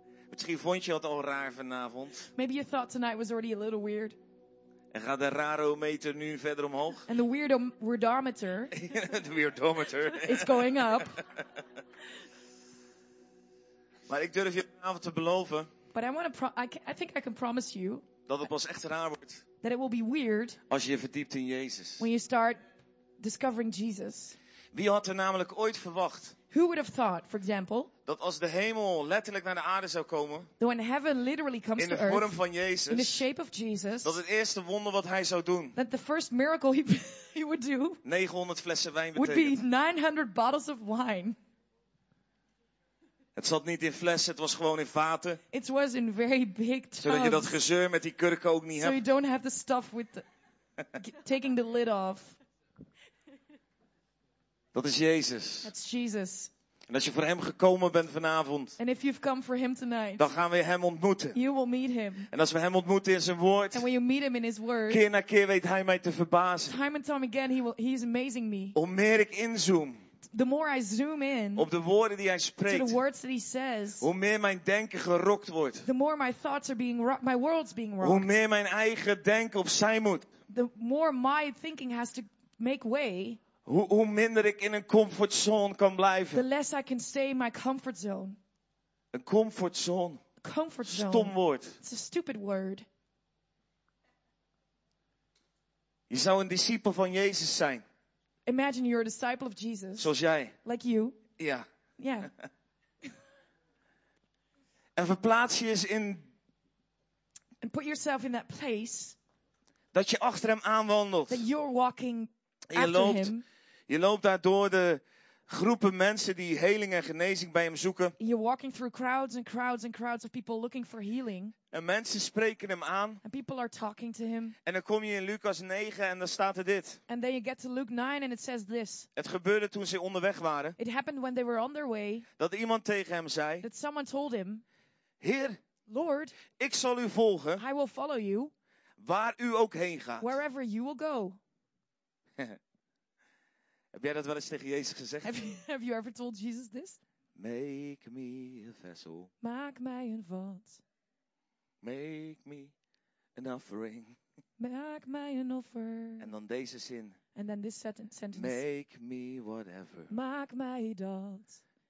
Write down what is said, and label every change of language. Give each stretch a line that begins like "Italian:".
Dutch: Misschien vond je het al raar vanavond.
English: Maybe you thought tonight was already a little weird.
Dutch: En gaat de rarometer nu verder omhoog?
English: And the weirdometer. The weirdometer. It's going up.
Dutch: Maar ik durf je vanavond te beloven.
English: But I want to I think I can promise you.
Dutch: Dat het pas echt raar wordt.
English: That it will be weird.
Dutch: Als je verdiept in Jezus.
English: When you start discovering Jesus.
Dutch: Wie had er namelijk ooit verwacht?
English: Who would have thought, for example?
Dutch: Dat als de hemel letterlijk naar de aarde zou komen.
English: That when heaven literally comes to earth.
Dutch: In de vorm van Jezus.
English: In the shape of Jesus.
Dutch: Dat het eerste wonder wat hij zou doen.
English: That the first miracle he would do.
Dutch: 900 flessen wijn betekent.
English: Would be 900 bottles of wine.
Dutch: Het zat niet in flessen, het was gewoon in vaten.
English: It was in very big tubs.
Dutch: Zodat je dat gezeur met die kurken ook niet hebt.
English: So you don't have the stuff with taking the lid off.
Dutch: Dat is Jezus.
English: That's Jesus.
Dutch: En als je voor hem gekomen bent vanavond.
English: And if you've come for him tonight.
Dutch: Dan gaan we hem ontmoeten.
English: You will meet him.
Dutch: En als we hem ontmoeten in zijn woord.
English: And when you meet him in his word.
Dutch: Keer na keer weet hij mij te verbazen.
English: Time and time again he's amazing me.
Dutch: Hoe meer ik inzoom.
English: The more I zoom in.
Dutch: Op de woorden die hij spreekt.
English: To the words that he says.
Dutch: Hoe meer mijn denken gerokt wordt.
English: The more my thoughts are being rocked. My world's being rocked.
Dutch: Hoe meer mijn eigen denken opzij moet.
English: The more my thinking has to make way.
Dutch: Hoe minder ik in een comfortzone kan blijven.
English: The less I can stay in my comfort zone.
Dutch: Een comfortzone.
English: Comfort zone.
Dutch: Stom woord.
English: It's a stupid word.
Dutch: Je zou een discipel van Jezus zijn.
English: Imagine you're a disciple of Jesus.
Dutch: Zoals jij.
English: Like you.
Dutch: Ja. Ja. En verplaats je eens in.
English: And put yourself in that place.
Dutch: Dat je achter hem aanwandelt.
English: That you're walking.
Dutch: Je loopt daardoor de groepen mensen die heling en genezing bij hem zoeken.
English: You're walking through crowds and crowds and crowds of people looking for healing.
Dutch: En mensen spreken hem aan.
English: And people are talking to him.
Dutch: En dan kom je in Lucas 9 en dan staat er dit.
English: And then you get to Luke 9 and it says this.
Dutch: Het gebeurde toen ze onderweg waren.
English: It happened when they were on their way.
Dutch: Dat iemand tegen hem zei.
English: That someone told him.
Dutch: Heer.
English: Lord.
Dutch: Ik zal u volgen.
English: I will follow you.
Dutch: Waar u ook heen gaat.
English: Wherever you will go.
Dutch: Heb jij dat wel eens tegen Jezus gezegd?
English: Have you ever told Jesus this? Make me a vessel.
Dutch: Maak mij een vat.
English: Make me an offering.
Dutch: Maak mij een offer. En dan deze zin.
English: And then this sentence. Make me whatever.
Dutch: Maak mij dat.